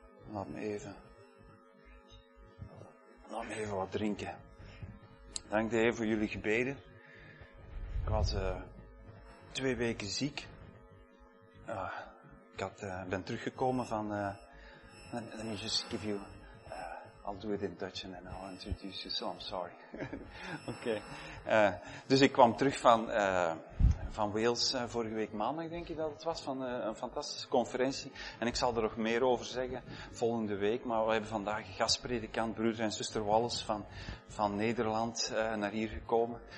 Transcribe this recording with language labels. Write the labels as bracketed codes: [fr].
[nl] Laat me even wat drinken. Dank de Heer voor jullie gebeden. Ik was 2 weken ziek. Ik ben teruggekomen van... [en] Let me just give you... I'll do it in Dutch and then I'll introduce you. So I'm sorry. Okay. [nl] Dus ik kwam terug van Wales vorige week maandag, denk ik dat het was, van een fantastische conferentie. En ik zal er nog meer over zeggen volgende week. Maar we hebben vandaag een gastpredikant, broeder en zuster Wallace van Nederland, naar hier gekomen.